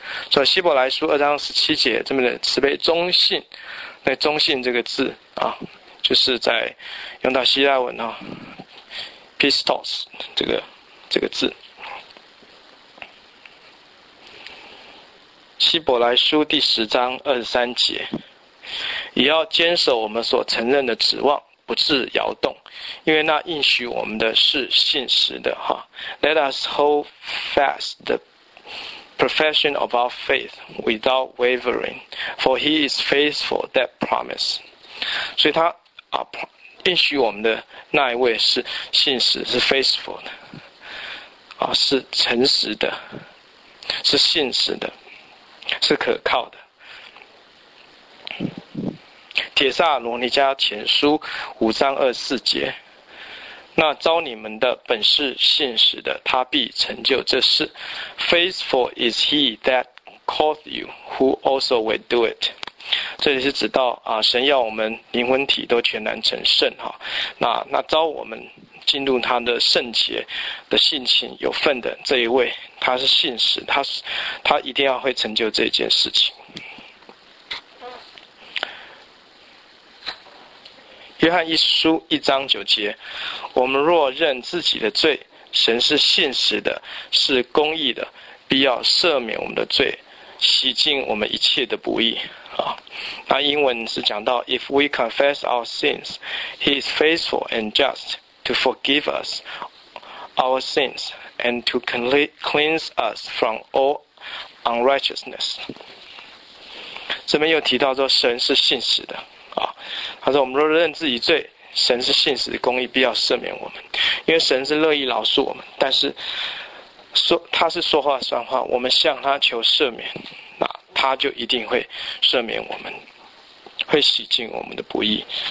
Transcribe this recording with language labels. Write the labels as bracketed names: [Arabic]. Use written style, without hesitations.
[Chinese] 所以希伯来书2:17这么的慈悲忠信，那忠信这个字啊，就是在用到希腊文啊 ，pistos 这个字。希伯来书第10:23，也要坚守我们所承认的指望，不致摇动，因为那应许我们的是信实的。 [English] Let us hold fast the profession of our faith without wavering, for he is faithful that promise. [Chinese] 所以他啊，应许我们的那一位是信实，是 faithful 的，啊，是诚实的，是信实的，是可靠的。帖撒罗尼迦前书5:24，那招你们的本是信实的，他必成就这事。 [English] Faithful is he that calls you, who also will do it. [Chinese] 这里是指到啊，神要我们灵魂体都全然成圣哈、啊。那招我们进入他的圣洁的性情有份的这一位，他是信实，他一定要会成就这件事情。约翰一书1:9，我们若认自己的罪，神是信实的，是公义的，必要赦免我们的罪，洗净我们一切的不义。那英文是讲到 [English] If we confess our sins, he is faithful and just to forgive us our sins and to cleanse us from all unrighteousness. [Chinese] 这边又提到说神是信实的。他说我们若认自己罪，神是信实公义，必要赦免我们，因为神是乐意饶恕我们，但是说他是说话算话，我们向他求赦免，那他就一定会赦免我们，会洗净我们的不义。